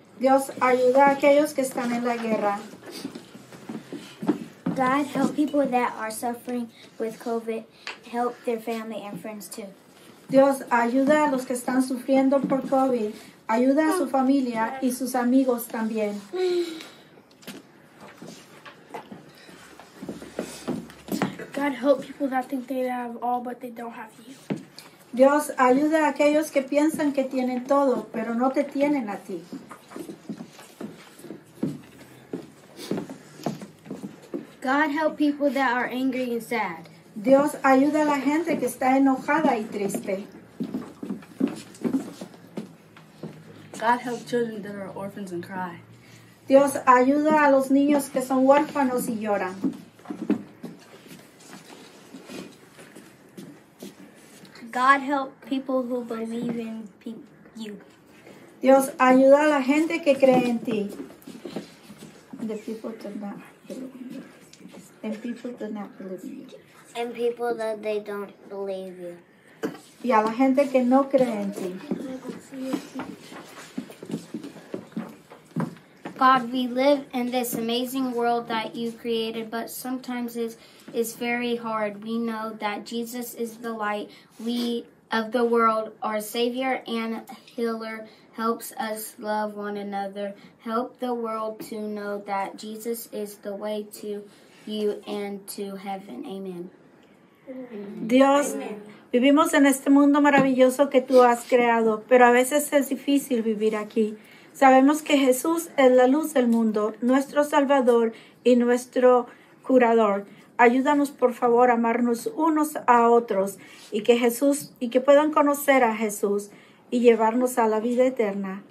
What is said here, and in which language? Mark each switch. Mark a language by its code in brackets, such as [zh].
[es] Dios ayuda a aquellos que están en la guerra. [en] God help people that are suffering with COVID. Help their family and friends too. [es] Dios ayuda a los que están sufriendo por COVID. Ayuda a su familia y sus amigos también. [en] God help people that think they have all but they don't have you. [es] Dios ayuda a aquellos que piensan que tienen todo, pero no te tienen a ti. [en] God help people that are angry and sad. [es] Dios ayuda a la gente que está enojada y triste. [en] God help children that are orphans and cry. [es] Dios ayuda a los niños que son huérfanos y lloran. [en] God help people who believe in you. [es] Dios ayuda a la gente que cree en ti. [en] The people do not believe in you. And people do not believe you. And people that they don't believe you. [es] Y a la gente que no cree en ti. [en] God, we live in this amazing world that you created, but sometimes it is very hard. We know that Jesus is the light we of the world. Our Savior and Healer helps us love one another. Help the world to know that Jesus is the way to you and to heaven. Amen. [es] Dios, amen. Vivimos en este mundo maravilloso que tú has creado, pero a veces es difícil vivir aquí. Sabemos que Jesús es la luz del mundo, nuestro Salvador y nuestro curador. Ayúdanos, por favor, a amarnos unos a otros y que puedan conocer a Jesús y llevarnos a la vida eterna.